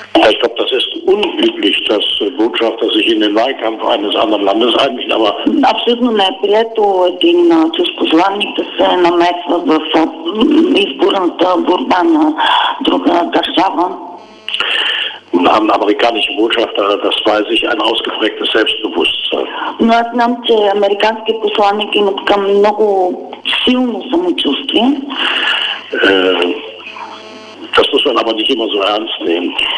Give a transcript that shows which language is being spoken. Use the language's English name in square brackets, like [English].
[German] Ich glaube, das ist unüblich, dass Botschafter sich in den Wahlkampf eines anderen Landes einmischen, aber... [Bulgarian] Абсолютно не е прието един чуждестранник да се намесва в изборната борба на друга държава. [German] Am amerikanischen Botschafter, das weiß ich, ein ausgeprägtes Selbstbewusstsein. [Bulgarian] Но аз знам, че американският посланник има така много силно самочувствие. [German] Das muss man aber nicht immer so ernst nehmen.